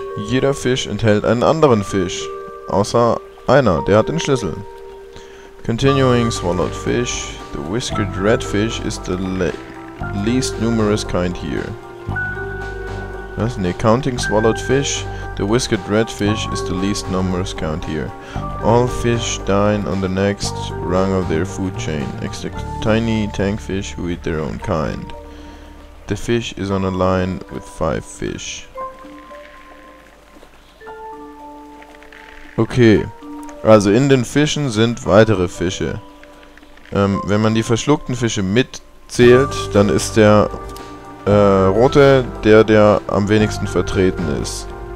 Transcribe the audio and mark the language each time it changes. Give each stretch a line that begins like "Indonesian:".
German: Jeder Fisch enthält einen anderen Fisch, außer einer, der hat den Schlüssel.
English: Continuing swallowed fish, the whiskered redfish is the least numerous kind here.
German: Was? Ne,
English: counting swallowed fish, the whiskered redfish is the least numerous kind here. All fish dine on the next rung of their food chain, except tiny tank fish who eat their own kind. The fish is on a line with five fish.
German: Okay, also in den Fischen sind weitere Fische. Wenn man die verschluckten Fische mitzählt, dann ist der rote der, der am wenigsten vertreten ist.